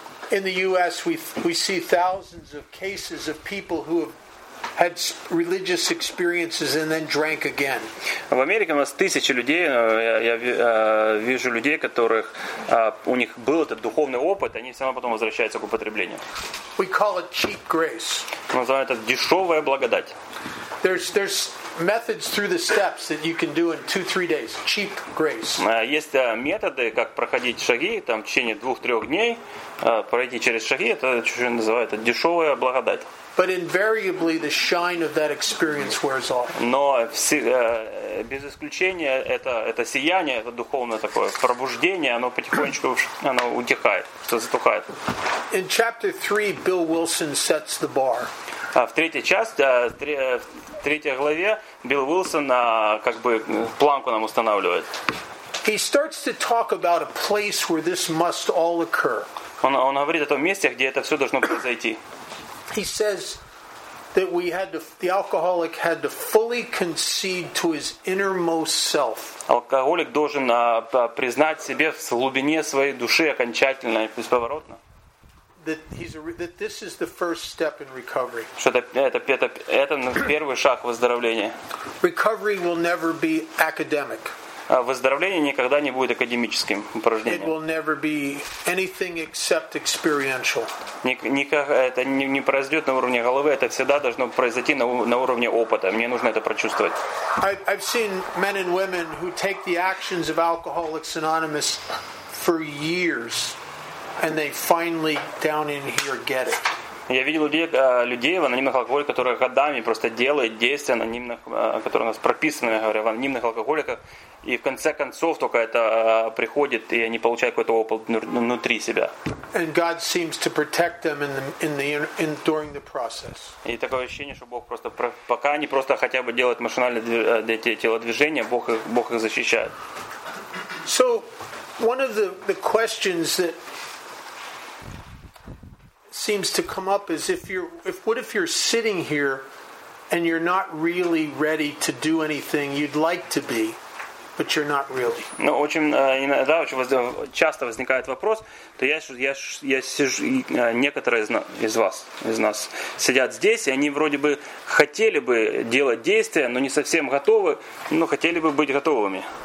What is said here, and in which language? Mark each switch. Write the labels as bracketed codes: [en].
[en] In the US we see thousands of cases of people who have had religious experiences and then drank again. [ru] В Америке у нас тысячи людей, я вижу людей, которых у них был этот духовный опыт, они все равно потом возвращаются к употреблению. [en] We call it cheap grace. [ru] Мы называем это дешевая благодать. [en] There's methods through the steps that you can do in 2-3 days. Cheap grace. [ru] Есть методы, как проходить шаги там в течение 2-3 дней, пройти через шаги, это что называется дешевая благодать. [en] But invariably the shine of that experience wears off. [ru] Но без исключения это сияние, это духовное такое пробуждение, оно потихонечку оно утихает, что затухает. [en] In chapter 3 Bill Wilson sets the bar. [ru] В третьей части, в третьей главе Билл Уилсон как бы планку нам устанавливает. [en] He starts to talk about a place where this must all occur. [ru] Он говорит о том месте, где это все должно произойти. [en] He says that we had to, the alcoholic had to fully concede to his innermost self. [ru] Алкоголик должен признать себе в глубине своей души окончательно и бесповоротно. [en] That this is the first step in recovery. [ru] Что это первый шаг выздоровления. [en] Recovery will never be academic. [ru] Выздоровление никогда не будет академическим упражнением. [en] It will never be anything except experiential. [ru] Это не произойдет на уровне головы, это всегда должно произойти на уровне опыта. Мне нужно это прочувствовать. [en] I've seen men and women who take the actions of Alcoholics Anonymous for years. And they finally down in here get it. [ru] Я видел людей в анонимных алкоголиках, которые годами просто делают действия анонимных, которые у нас прописаны, я говорю, в анонимных алкоголиках, и в конце концов только это приходит, и они получают какой-то опыт внутри себя. [en] And God seems to protect them in during the process. [ru] И такое ощущение, что Бог просто пока они просто хотя бы делают машинальные телодвижения, Бог их защищает. [en] So one of the questions that seems to come up as what if you're sitting here and you're not really ready to do anything you'd like to be, but you're not really. [ru] Ну, очень иногда часто возникает вопрос, то я сижу, некоторые из нас сидят здесь, и они вроде бы хотели бы делать действия, но не совсем готовы, но хотели бы быть готовыми.